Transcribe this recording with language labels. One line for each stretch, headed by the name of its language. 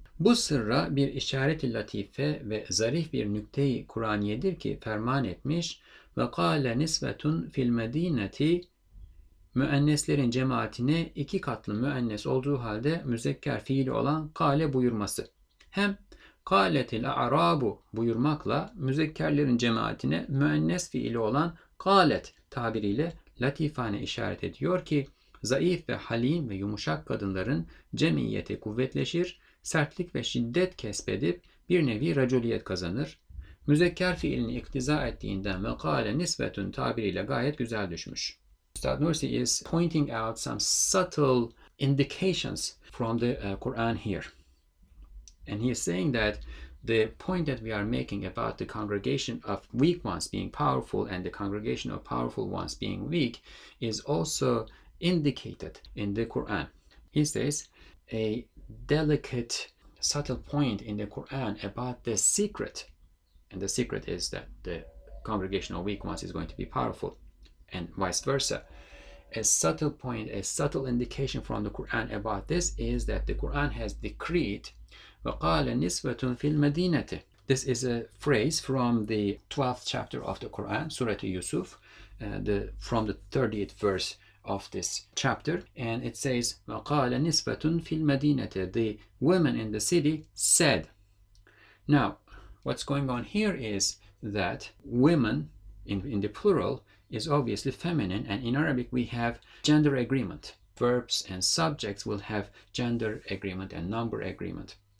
Turkish: Bu sırra bir işareti latife ve zarif bir nükteyi Kur'aniyedir ki ferman etmiş
Arabic: وَقَالَ نِسْوَةٌ فِي الْمَد۪ينَةِ
Turkish: Müenneslerin cemaatine iki katlı müennes olduğu halde müzekker fiili olan kale buyurması. Hem kaletil a'rabu buyurmakla müzekkerlerin cemaatine müennes fiili olan kalet tabiriyle latifane işaret ediyor ki zayıf ve halim ve yumuşak kadınların cemiyeti kuvvetleşir, sertlik ve şiddet kesbedip bir nevi raculiyet kazanır. Müzekker fiilini iktiza ettiğinden ve kale nisvetun tabiriyle gayet güzel düşmüş.
English: Üstad Nursi is pointing out some subtle indications from the Quran here. And he is saying that the point that we are making about the congregation of weak ones being powerful and the congregation of powerful ones being weak is also indicated in the Quran. He says a delicate, subtle point in the Quran about the secret. And the secret is that the congregation of weak ones is going to be powerful. And vice versa. A subtle point, a subtle indication from the Quran about this is that the Quran has decreed
Arabic: وَقَالَ نِسْوَةٌ فِي الْمَدِينَةِ.
English: This is a phrase from the 12th chapter of the Quran, Surah Yusuf, from the 30th verse of this chapter. And it says
Arabic: وَقَالَ نِسْوَةٌ فِي الْمَدِينَةِ.
English: The women in the city said. Now, what's going on here is that women, in the plural, is obviously feminine, and in Arabic we have gender agreement. Verbs and subjects will have gender agreement and number agreement.